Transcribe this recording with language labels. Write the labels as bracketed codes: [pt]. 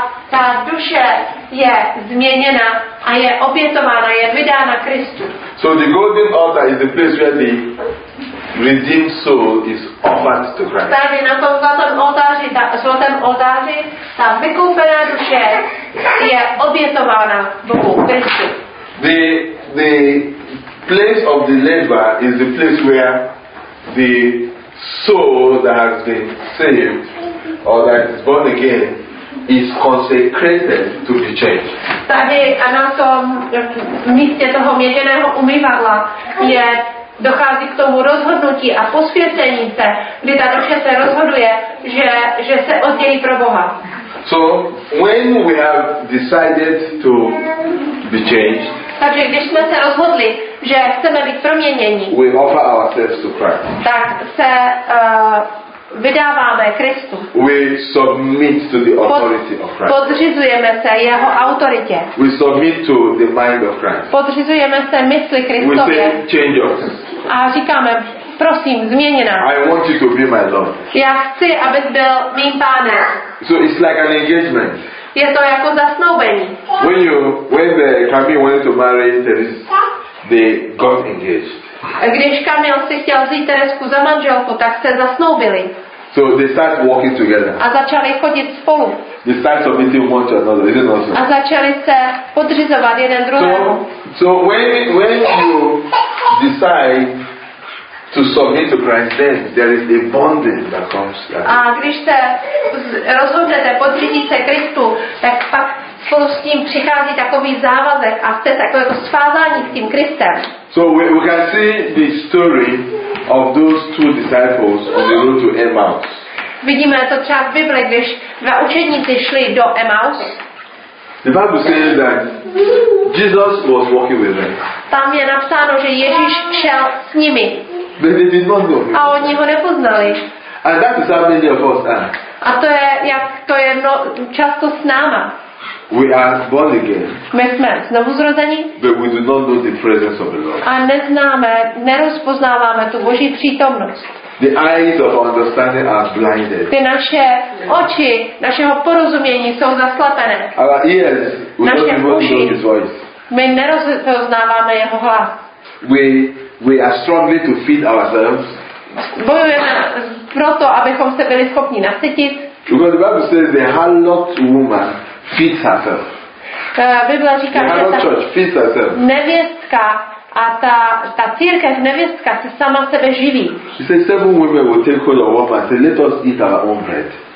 [cs] Ta duše je změněna a je obětována, je vydána Kristu. [en] So the golden altar is the place where the redeemed soul is offered to Christ. [cs] Tady na tom zlatém oltáři ta vykoupená duše je obětována Bohu Kristu. [en] The place of the labor is the place where the soul that has been saved or that is born again is consecrated to be changed. [cs] Tady a na tom místě toho měděného umývadla je dochází k tomu rozhodnutí a posvěcení se, kdy ta duše se rozhoduje, že se oddělí pro Boha. [en] So when we have decided to be changed, [cs] takže když jsme se rozhodli, že chceme být proměněni, [en] we offer ourselves to Christ. [cs] Tak se vydáváme Kristu. [en] We submit to the authority of Christ. [cs] Podřizujeme se jeho autoritě. [en] We submit to the mind of Christ. [cs] Podřizujeme se mysli Kristově. [en] We say, change us. [cs] A říkáme, prosím, změni nás. [en] I want you to be my Lord. [cs] Já chci, abys byl mým pánem. [en] So it's like an engagement. [cs] Je to jako zasnoubení. [en] When you, when the Camille wanted to marry Teres, they got engaged. [cs] Když Kamil si chtěl vzít Teresku za manželku, tak se zasnoubili. [en] So they start walking together. [cs] A začali chodit spolu. [en] They start submitting one to another, isn't it awesome? [cs] A začali se podřizovat jeden druhému. [en] So when you decide to submit to Christ, then there is a bonding that comes. [cs] A když se rozhodnete podřídit se Kristu, tak pak spolu s tím přichází takový závazek a jste takové jako svázání s tím Kristem. [en] So we can see the story of those two disciples on the road to Emmaus. [cs] Vidíme to třeba v Bibli, když dva učedníci šli do Emmaus. [en] The Bible says that Jesus was walking with them. [cs] Tam je napsáno, že Ježíš šel s nimi. [en] But they did not know him. [cs] A oni ho nepoznali. [en] And that is how many of us are. [cs] A to je, jak to je no, často s náma. [en] We are born again. [cs] My jsme znovu zrození. [en] But we do not know the presence of the Lord. [cs] A neznáme, nerozpoznáváme tu Boží přítomnost. [en] The eyes of understanding are blinded. [cs] Ty naše oči, našeho porozumění jsou zaslepené. [en] Our ears, we don't even know his voice. [cs] My nerozpoznáváme jeho hlas. [en] We are struggling to feed ourselves. [cs] Bojujeme proto, abychom se byli schopni nasytit. [en] Because the Bible says the harlot woman feeds herself. [cs] Bible říká, [en] the harlot church feeds herself. [cs] Nevěstka a ta církev nevěstka se sama sebe živí. [en] She says seven women will take hold of one and say, let us eat our own bread.